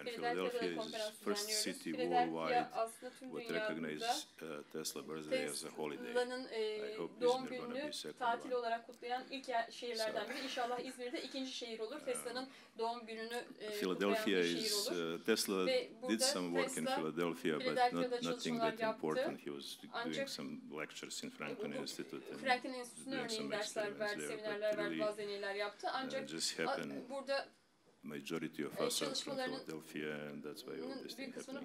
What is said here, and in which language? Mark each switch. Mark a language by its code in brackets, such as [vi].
[en] And Philadelphia is the first city worldwide that recognizes Tesla birthday as a holiday. [tr] Tesla'nın doğum gününü tatil olarak kutlayan ilk şehirlerden biri. İnşallah İzmir de ikinci şehir olur. Tesla'nın doğum gününü [en] Philadelphia is Tesla did some work in Philadelphia, but nothing that important. He was doing some lectures in Franklin Institute. [tr] And Franklin Institute'nin örneğin dersler verdi, seminerler verdi, bazı deneyler yaptı. Ancak [en] just happened. Burada majority of us are from Philadelphia, and that's why all this thing happened.